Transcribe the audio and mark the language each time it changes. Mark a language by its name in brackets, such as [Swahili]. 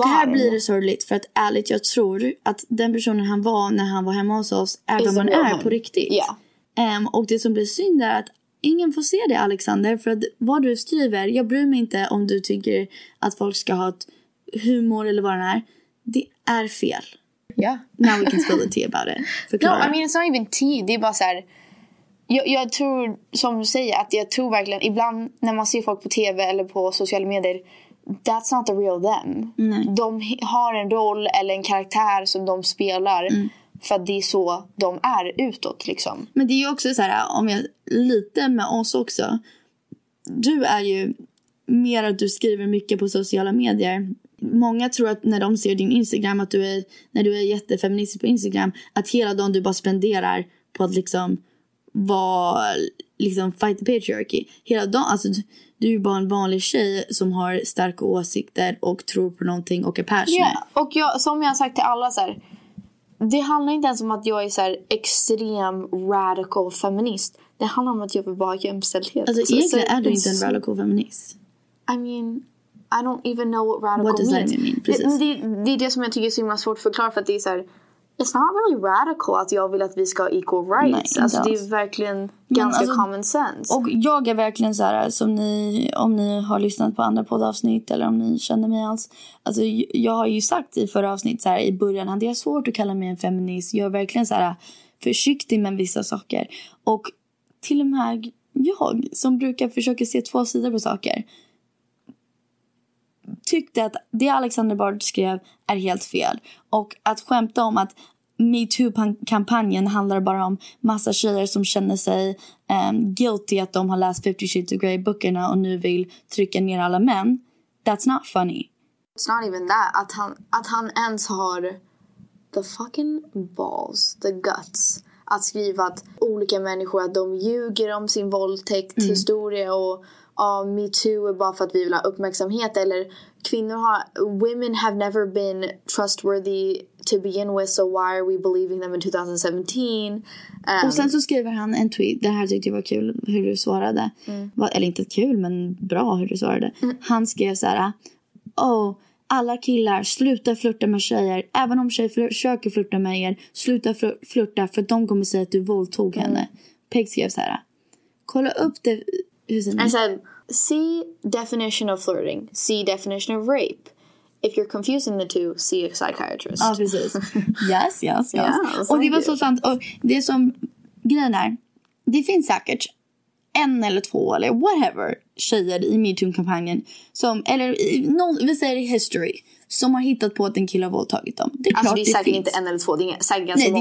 [Swedish] Och här blir det sorgligt för att ärligt, jag tror att den personen han var när han var hemma hos oss är vem man är på riktigt. [English] Yeah. [Swedish] Och det som blir synd är att ingen får se det, Alexander. För att vad du skriver, jag bryr mig inte om du tycker att folk ska ha ett humor eller vad det är. Det är fel. [English] Yeah. Now we can spill the tea about it. [Swedish] Förklara. [English] No, I mean it's not even tea. [Swedish] Det är bara så här... Jag tror, som du säger, att jag tror verkligen... Ibland när man ser folk på tv eller på sociala medier... [English] That's not the real them. [Swedish] Nej. De har en roll eller en karaktär som de spelar. Mm. För att det är så de är utåt, liksom. Men det är ju också så här, om jag lite med oss också... Du är ju mer att du skriver mycket på sociala medier... Många tror att när de ser din Instagram... att du är, när du är jättefeministisk på Instagram... att hela dagen du bara spenderar på att liksom... var liksom [English] fight the patriarchy [Swedish] hela dagen, alltså du är ju bara en vanlig tjej som har starka åsikter och tror på någonting och är passionerad. [English] Yeah. [Swedish] Och jag, som jag har sagt till alla så här, det handlar inte ens om att jag är så här extrem radical feminist, det handlar om att jag vill bara jämställdhet. Alltså egentligen så, är du inte en radical feminist. [English] I mean, I don't even know what radical what does means that mean? [Swedish] Det är det som jag tycker är så himla svårt att förklara, för att det är så här, [English] it's not really radical [Swedish] att jag vill att vi ska ha equal rights. Nej, alltså det är verkligen ganska alltså, common sense. Och jag är verkligen så här, som ni, om ni har lyssnat på andra poddavsnitt eller om ni känner mig alls. Alltså jag har ju sagt i förra avsnitt så här, i början hade jag svårt att kalla mig en feminist. Jag är verkligen så här försiktig med vissa saker. Och till och med jag som brukar försöka se två sidor på saker. Tyckte att det Alexander Bard skrev är helt fel. Och att skämta om att MeToo-kampanjen handlar bara om massa tjejer som känner sig guilty att de har läst 50 Shades of Grey-böckerna och nu vill trycka ner alla män. [English] That's not funny. It's not even that. [Swedish] Att han ens har [English] the fucking balls, the guts [Swedish] att skriva att olika människor, att de ljuger om sin våldtäkt historia och av MeToo bara för att vi vill ha uppmärksamhet. Eller kvinnor har, [English] women have never been trustworthy to begin with, so why are we believing them in 2017? [Swedish] Och sen så skriver han en tweet, det här tyckte jag var kul hur du svarade. Mm. Eller inte kul, men bra hur du svarade. Mm. Han skrev så här: oh, alla killar, sluta flirta med tjejer. Även om tjejer försöker flirta med er, sluta flirta, för de kommer säga att du våldtog henne. Peg skrev så här: kolla upp det. [English] I said, see definition of flirting, see definition of rape. If you're confusing the two, see a psychiatrist. [Swedish] Ja, precis. [English] Yes. Yeah, [Swedish] och det var så sant. Och det som grejen är, det finns säkert en eller två eller whatever tjejer i MeToo-kampanjen som, eller någon, vi säger history, som har hittat på att en kille har våldtagit dem. Det är klart, alltså det är säkert inte en eller två, det är säkert ganska många.